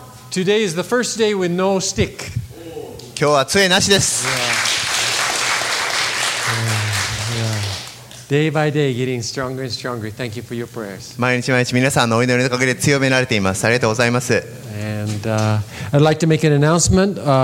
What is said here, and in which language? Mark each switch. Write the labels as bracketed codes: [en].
[en] Today is the first day with no stick. [ja] 今日は杖なしです。 [en] Day by day, getting stronger and stronger. Thank you for your prayers. [ja] 毎日毎日皆さんのお祈りのおかげで強められています。ありがとうございます。 [en] And I'd like to make an announcement.